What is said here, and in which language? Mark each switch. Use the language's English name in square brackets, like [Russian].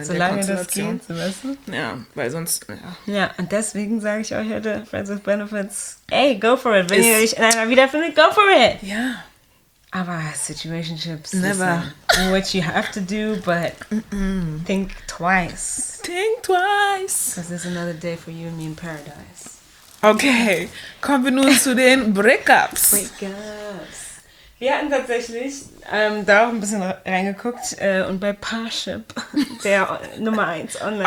[German] Solange das geht, weißt du? Ja, weil sonst... Ja, ja, und deswegen sage ich euch heute, Friends with Benefits, [English] ey, go for it. [German] Wenn ihr euch in einer wiederfindet, [English] go for it. [German] Ja. Aber Situationships, [English] never. Listen, what you have to do, but think twice. Think twice. Because there's another day for you and me in paradise. [German] Okay, kommen wir nun zu den Breakups. Breakups. Wir hatten tatsächlich da auch ein bisschen reingeguckt und bei Parship, der Nummer 1 Online-Dating.